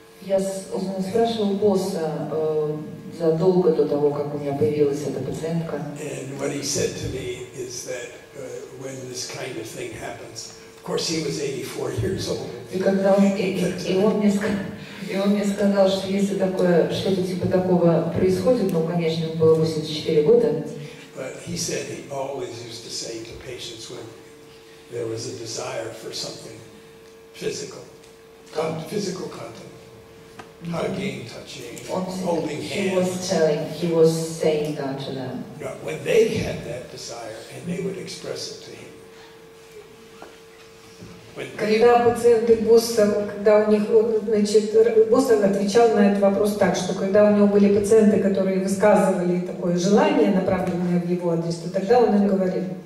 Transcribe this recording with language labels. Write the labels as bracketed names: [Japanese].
[Russian] Я спрашивал босса задолго до того, как у меня появилась эта пациентка. [English] And what he said to me is that when this kind of thing happens, of course he was 84 years old. [Russian] И он мне сказал, что если такое, что-то типа такого происходит, ну, конечно, ему было 84 года. [English] But he said he always used to say to patients when there was a desire for something physical, physical contact, hugging, touching, holding hands. He was saying that to them. Yeah, when they had that desire and they would express it to him. [Russian] Когда пациенты босса, когда у них, значит, босс отвечал на этот вопрос так, что когда у него были пациенты, которые высказывали такое желание, направленное в его адрес, то тогда он им говорил.